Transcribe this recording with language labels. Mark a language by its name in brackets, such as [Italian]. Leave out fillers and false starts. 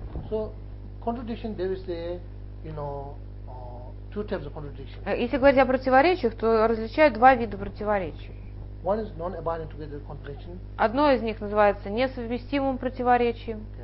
[English] So contradiction, there is a, you know, two types of contradiction. [Russian] Если говорить о противоречиях, то различают два вида противоречий. [English] One is non-abiding together contradiction. [Russian] Одно из них называется несовместимым противоречием.